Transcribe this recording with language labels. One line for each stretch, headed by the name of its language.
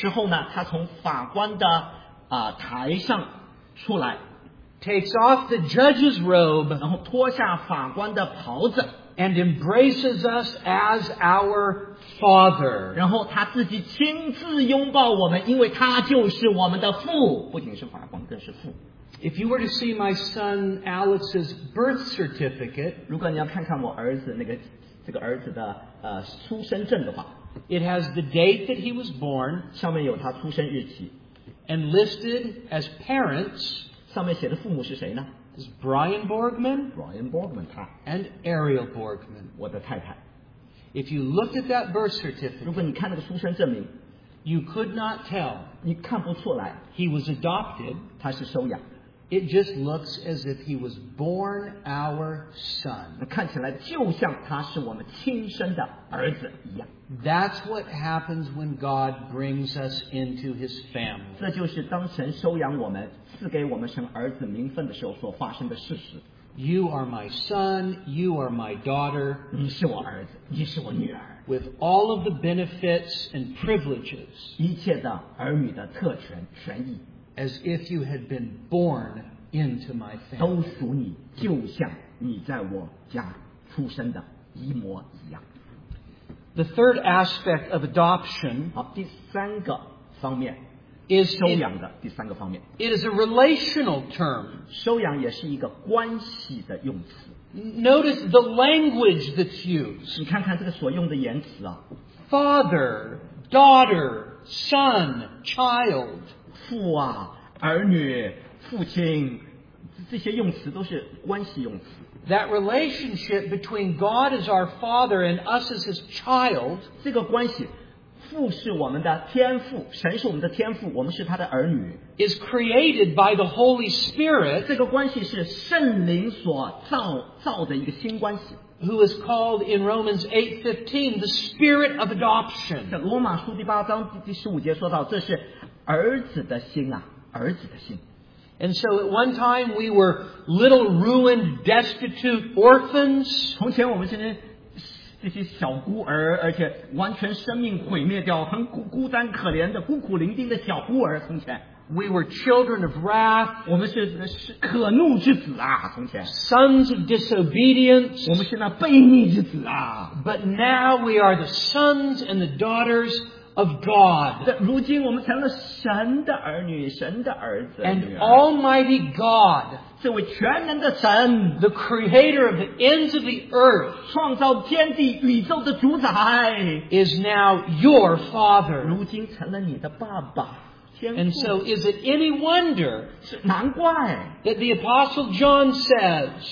Chinese: 之后呢, 他从法官的台上出来。
English: Takes off the judge's robe,
Chinese: 然后脱下法官的袍子,
English: and embraces us as our father.
Chinese: 然后他自己亲自拥抱我们, 因为他就是我们的父, 不仅是法官,
English: if you were to see my son Alex's birth certificate,
Chinese: 如果你要看看我儿子那个, 这个儿子的, 出生证的话,
English: it has the date that he was born,
Chinese: 上面有他出生日期,
English: and listed as parents,
Chinese: 上面写的父母是谁呢?
English: It's Brian Borgman,
Chinese: Brian Borgman, 他,
English: and Ariel Borgman,
Chinese: 我的太太。
English: If you looked at that birth certificate,
Chinese: 如果你看那个出生证明,
English: you could not tell,
Chinese: 你看不出来,
English: he was adopted,
Chinese: 他是收养,
English: it just looks as if he was born our son,
Chinese: 看起来就像他是我们亲生的儿子一样。
English: That's what happens when God brings us into his family.
Chinese: 这就是当神收养我们, 赐给我们神儿子名分的时候所发生的事实。
English: You are my son, you are my daughter,
Chinese: 你是我儿子, 你是我女儿。
English: With all of the benefits and privileges,
Chinese: 一切的儿女的特权, 权益,
English: as if you had been born into my family,
Chinese: 都属你, 就像你在我家出生的一模一样。
English: The third aspect of adoption,
Chinese: 好, 第三个方面,
English: is
Chinese: 收养的, 第三个方面,
English: it is a relational term.
Chinese: 收养也是一个关系的用词。
English: Notice the language that's used.
Chinese: 你看看这个所用的言辞啊,
English: father, daughter, son, child.
Chinese: 父啊, 儿女, 父亲, 这些用词都是关系用词。
English: That relationship between God as our Father and us as His child,
Chinese: 这个关系, 父是我们的天父, 神是我们的天父, 我们是他的儿女,
English: is created by the Holy Spirit,
Chinese: 这个关系是圣灵所造的一个新关系,
English: who is called in Romans 8:15 the Spirit of Adoption.
Chinese: 罗马书第八章第十五节说到, 这是儿子的心啊, 儿子的心。
English: And so at one time we were little ruined, destitute orphans.
Chinese: 从前我们现在这些小孤儿, 而且完全生命毁灭掉, 很孤单可怜的, 孤苦伶仃的小孤儿, 从前,
English: we were children of wrath.
Chinese: 我们是可怒之子啊, 从前,
English: sons of disobedience.
Chinese: 我们是那悖逆之子啊,
English: but now we are the sons and the daughters of God.
Chinese: 如今我们成了神的儿女, 神的儿子,
English: and Almighty God
Chinese: 这位全能的神,
English: the creator of the ends of the earth,
Chinese: 创造天地宇宙的主宰,
English: is now your father.
Chinese: 如今成了你的爸爸,
English: and so is it any wonder
Chinese: 难怪,
English: that the Apostle John says,